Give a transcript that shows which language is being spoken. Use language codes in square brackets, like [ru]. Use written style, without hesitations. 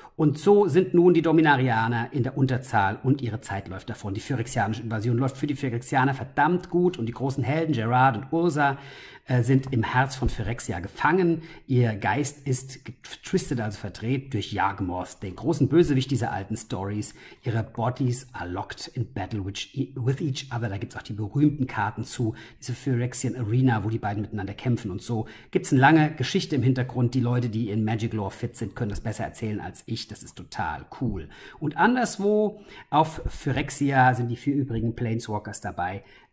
[de] Und so sind nun die Dominarianer in der Unterzahl und ihre Zeit läuft davon. Die Phyrexianische Invasion läuft für die Phyrexianer verdammt gut und die großen Helden Gerard und Ursa sind im Herz von Phyrexia gefangen. Ihr Geist ist getwistet, also verdreht durch Yawgmoth, den großen Bösewicht dieser alten Stories. Ihre [en] Bodies are locked in battle with each other. [de] Da gibt es auch die berühmten Karten zu, diese Phyrexian Arena, wo die beiden miteinander kämpfen und so. Gibt es eine lange Geschichte im Hintergrund. Die Leute, die in Magic Lore fit sind, können das besser erzählen als ich. Das ist total cool. Und anderswo auf Phyrexia sind die 4 übrigen Planeswalkers dabei.